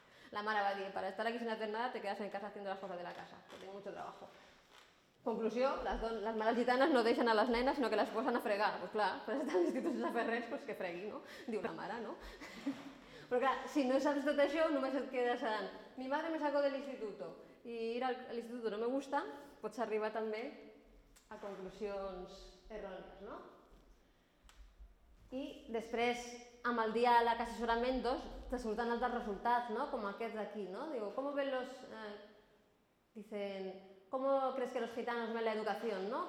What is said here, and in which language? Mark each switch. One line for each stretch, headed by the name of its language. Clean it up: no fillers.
Catalan: La mare va dir, per estar aquí
Spanish: sin hacer nada te quedas en casa haciendo las cosas de la casa, que tengo mucho trabajo.
Catalan: Conclusió, les mares gitanes no deixen a les nenes, sinó que les posen a fregar. Pues clar, per estar en l'institut sense fer res, pues que fregui, no? Diu la mare, no? Però clar, si no saps tot això, només et quedes en
Spanish: mi madre me saco de l'instituto i ir a l'instituto no me gusta,
Catalan: pots arribar també a conclusions errònies, no? I després, amb el diàleg, assessorament, dos, te surten altres resultats, no? Com aquests d'aquí, no?
Spanish: Digo, ¿cómo ven los...? Dicen, ¿cómo crees que los gitanos ven la educación, no?